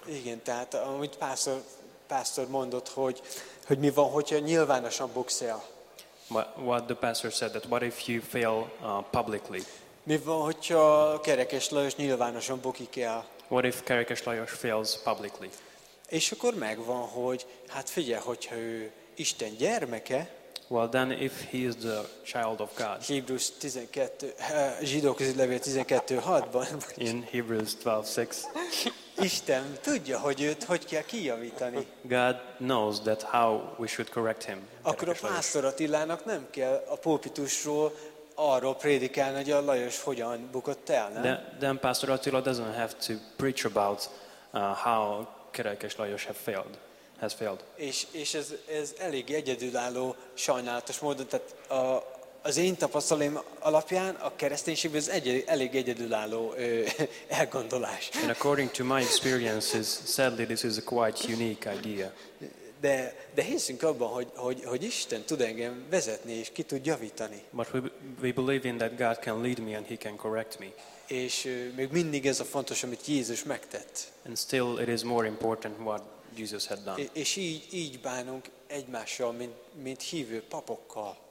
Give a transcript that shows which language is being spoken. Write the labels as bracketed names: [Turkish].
[Hungarian] Igen, tehát amit pastor mondott, hogy mi van, hogyha nyilvánosan bukszél. [English] What the pastor said, that what if you fail publicly? [Hungarian] Mi van, hogyha Kerekes Lajos nyilvánosan bukik el? [English] What if Kerekes Lajos fails publicly? [Hungarian] És akkor megvan, hogy hát figyelj, hogyha ő Isten gyermeke. [English] Well then, if he is the child of God. [Hungarian] Hebrews 12, Zsidók közé levél 12:6-ban. [English] In Hebrews 12:6. [Hungarian] Isten tudja, hogy őt hogy kell kijavítani. [English] God knows that how we should correct him. [Hungarian] Akkor a pásztor Attilának nem kell a pulpitusról arról prédikálni, hogy a Lajos hogyan bukott el, nem? [English] Then Pastor Attila doesn't have to preach about how Kerekes Lajos has failed. [Hungarian] És ez elég egyedülálló, sajnálatos módon, tehát az én tapasztalatom alapján a kereszténységben ez elég egyedülálló elgondolás. [English] And according to my experiences, sadly this is a quite unique idea. [Hungarian] De hiszünk abban, hogy Isten tud engem vezetni és ki tud javítani. [English] But we believe in that God can lead me and he can correct me. [Hungarian] És még mindig ez a fontos, amit Jézus megtett. [English] And still it is more important what Jesus had done. [Hungarian] És így bánunk egymással, mint hívő papokkal.